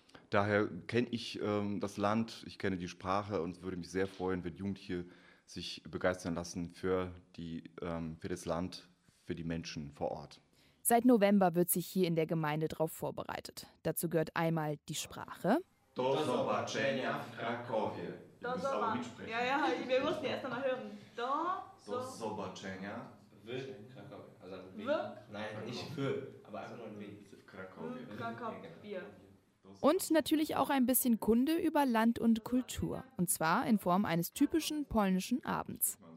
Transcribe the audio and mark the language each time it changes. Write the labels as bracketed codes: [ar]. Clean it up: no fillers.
[de] Daher kenne ich das Land, ich kenne die Sprache und würde mich sehr freuen, wenn Jugendliche sich begeistern lassen für das Land, für die Menschen vor Ort. Seit November wird sich hier in der Gemeinde darauf vorbereitet. Dazu gehört einmal die Sprache. [pl] Do zobaczenia w Krakowie. Do zobaczenia. [de] Ja, wir mussten erst einmal hören. [pl] Do zobaczenia w Krakowie. [de] Also, [pl] w? [de] Nein, nicht für, Aber einfach nur ein wenig Krakau-Bier. Und natürlich auch ein bisschen Kunde über Land und Kultur. Und zwar in Form eines typischen polnischen Abends.